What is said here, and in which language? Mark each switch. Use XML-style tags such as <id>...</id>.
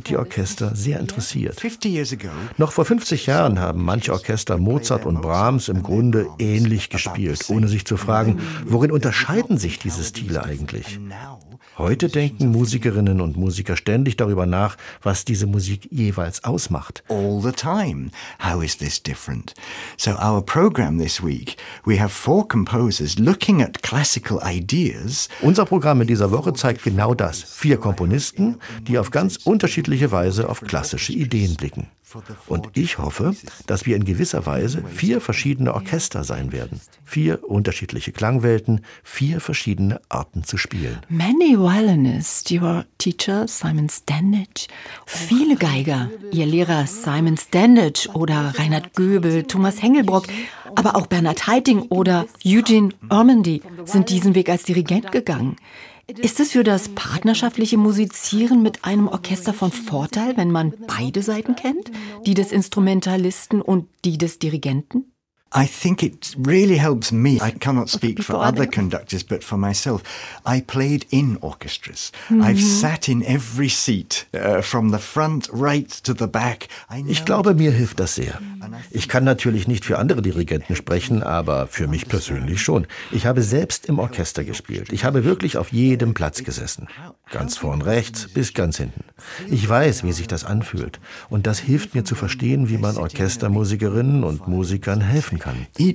<de>sind die Orchester sehr interessiert. Noch vor 50 Jahren haben manche Orchester Mozart und Brahms im Grunde ähnlich gespielt, ohne sich zu fragen, worin unterscheiden sich diese Stile eigentlich? Heute denken Musikerinnen und Musiker ständig darüber nach, was diese Musik jeweils ausmacht.</de> <en>All the time. How is this different? So our program this week, we have four composers looking at classical ideas.</en> <de>Unser Programm in dieser Woche zeigt genau das. Vier Komponisten, die auf ganz unterschiedliche Weise auf klassische Ideen blicken. Und ich hoffe, dass wir in gewisser Weise vier verschiedene Orchester sein werden. Vier unterschiedliche Klangwelten, vier verschiedene Arten zu spielen.</de> <en>Many violinists, your teacher Simon Standage.</en> <de>Viele Geiger, ihr Lehrer Simon Standage oder Reinhard Göbel, Thomas Hengelbrock, aber auch Bernhard Haitink oder Eugene Ormandy sind diesen Weg als Dirigent gegangen. Ist es für das partnerschaftliche Musizieren mit einem Orchester von Vorteil, wenn man beide Seiten kennt, die des Instrumentalisten und die des Dirigenten?</de> <en>I think it really helps me. I cannot speak for other conductors, but for myself. I played in orchestras. I've sat in every seat, from the front right to the back.</en> <de>Ich glaube, mir hilft das sehr. Ich kann natürlich nicht für andere Dirigenten sprechen, aber für mich persönlich schon. Ich habe selbst im Orchester gespielt. Ich habe wirklich auf jedem Platz gesessen. Ganz vorn rechts bis ganz hinten. Ich weiß, wie sich das anfühlt. Und das hilft mir zu verstehen, wie man Orchestermusikerinnen und Musikern helfen kann.</de>